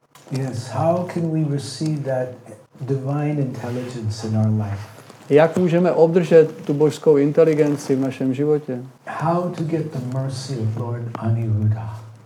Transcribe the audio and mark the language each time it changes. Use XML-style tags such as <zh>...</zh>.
<en>Yes, how can we receive that divine intelligence in our life?</en> <cs>Jak můžeme obdržet tu božskou inteligenci v našem životě?</cs> <en>How to get the mercy of Lord Aniruddha?</en>